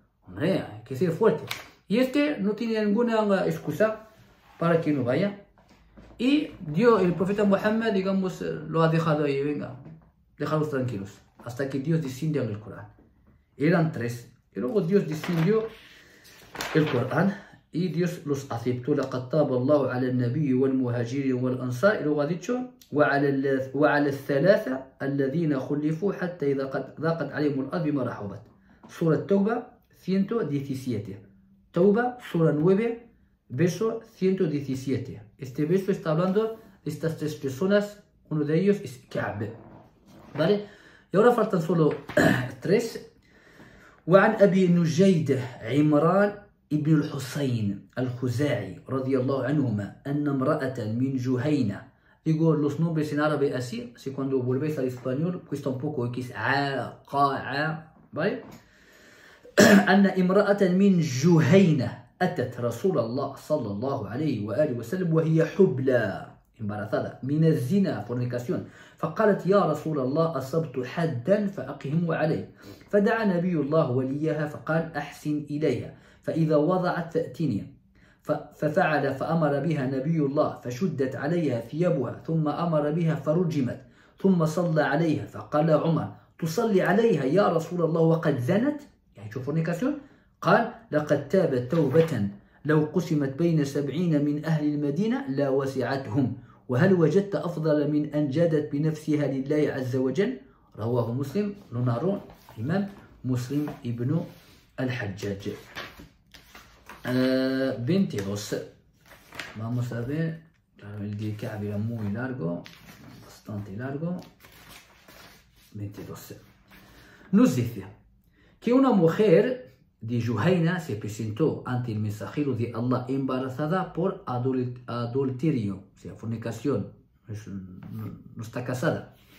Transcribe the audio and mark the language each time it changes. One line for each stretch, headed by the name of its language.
Spanish: Hombre, hay que ser fuerte. Y este no tiene ninguna excusa para que no vaya. Y Dios, el profeta Muhammad, digamos, lo ha dejado ahí. Venga, déjalos tranquilos. Hasta que Dios descendió en el Corán. Eran tres. Y luego Dios descendió el Corán. Y Dios los aceptó.
Arabic: La qataba Allah ala al-Nabi wal-Muhajiri wal-Ansar.
Spanish: Y luego ha dicho:
Arabic: وعلى الثلاثة الذين خلفوا حتى إذا ضاقت عليهم الأرض بما رحبت. سورة التوبة 117. توبة سورة 9
Spanish: Verso 117. Este verso está hablando de estas tres personas. Uno de ellos es Ka'b. ¿Vale? Y ahora faltan solo tres.
Arabic: وعن أبي نجيد عمران ابن الحسين الخزاعي رضي الله عنهما أن امرأة من جهينة.
Spanish: Digo los nombres en árabe así, así cuando volvés al español cuesta un poco, que es عاقعاء. ¿Vale?
Arabic: أن امرأة من جهينة أتت رسول الله صلى الله عليه وآله وسلم وهي حبلى embarazada من الزنا fornicación. فقالت يا رسول الله أصبت حدا فأقهم عليه. فدعا نبي الله وليها فقال أحسن إليها فإذا وضعت فأتني. ففعل فأمر بها نبي الله فشدت عليها ثيابها ثم أمر بها فرجمت ثم صلى عليها فقال عمر تصلي عليها يا رسول الله وقد زنت يعني شوف فورنيكاسيون. قال لقد تابت توبة لو قسمت بين 70 من أهل المدينة لا وسعتهم وهل وجدت أفضل من أن جادت بنفسها لله عز وجل. رواه مسلم لنارون إمام مسلم ابن الحجاج.
Spanish: 22. Vamos a ver. Claro, el de Ka'b era muy largo, bastante largo. 22. Nos dice que una mujer de Juhayna se presentó ante el mensajero de Allah embarazada por adulterio, o sea, fornicación. No está casada.